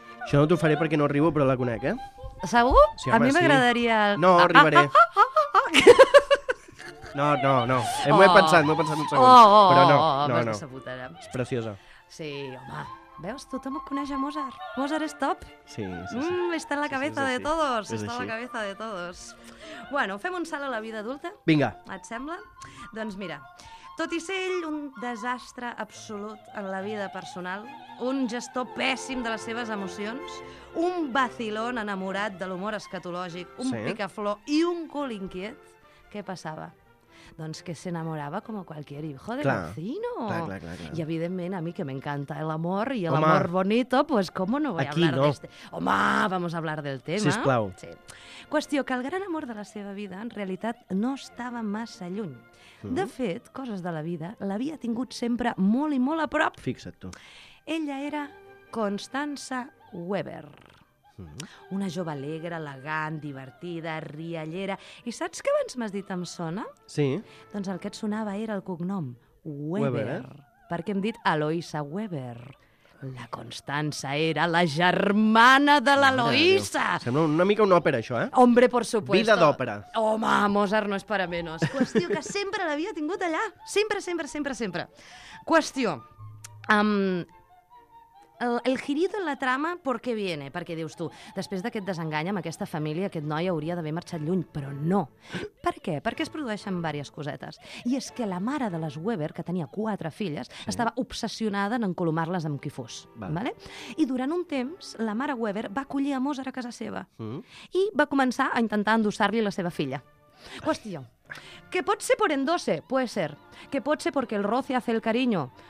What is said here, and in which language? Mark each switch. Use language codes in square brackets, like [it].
[ca] Jo no t'ho faré perquè no arribo, però la conec, eh? Segur? Sí, home, a mi m'agradaria... Sí. No, arribaré. No, no, no. M'ho he pensat, m'ho he pensat un segon. Però no, no, no. És preciosa. Sí, home. Veus, tothom coneix a Mozart. Mozart és top. Sí, sí, sí. [es] Está en la cabeza de todos. Está en la cabeza de todos. [ca] Bueno, fem un salt a la vida adulta. Vinga. Et sembla? Doncs mira... Tot i ser ell un desastre absolut en la vida personal, un gestor pèssim de les seves emocions, un vacilón enamorat de l'humor escatològic, un picaflor i un cul inquiet, què passava? Doncs que s'enamorava com a qualsevol [es] hijo de vecino. [ca] I evidentment, a mi que m'encanta l'amor i l'amor bonito, [es] pues cómo no voy [ca] aquí, [es] a hablar no. d'este... Home, vamos a hablar del tema. [ca] Sisplau. Sí. Qüestió que el gran amor de la seva vida en realitat no estava massa lluny. De fet, coses de la vida, l'havia tingut sempre molt i molt a prop. Fixa't tu. Ella era Constanza Weber. Una jove alegre, elegant, divertida, riallera. I saps què abans m'has dit em sona? Sí. Doncs el que et sonava era el cognom Weber. Weber. Perquè hem dit Aloïsa Weber. La Constanza era la germana de l'Aloïsa. Sembla una mica una òpera, això, eh? [es] Hombre, por supuesto. [ca] Vida d'òpera. Home, Mozart no és [es] para menos. [ca] Qüestió que sempre l'havia tingut allà. Sempre, sempre, sempre, sempre. Qüestió. [es] El girito en la trama, ¿por qué viene? [ca] Perquè dius tu, després d'aquest desengany amb aquesta família, aquest noi hauria d'haver marxat lluny, però no. Per què? Perquè es produeixen diverses cosetes. I és que la mare de les Weber, que tenia quatre filles, estava obsessionada en encolomar-les amb qui fos. Vale? I durant un temps, la mare Weber va acollir a Mozart a casa seva i va començar a intentar endossar-li la seva filla. Qüestió. Que pot ser [es] por endose, puede ser. Que pot ser porque el roce hace el cariño.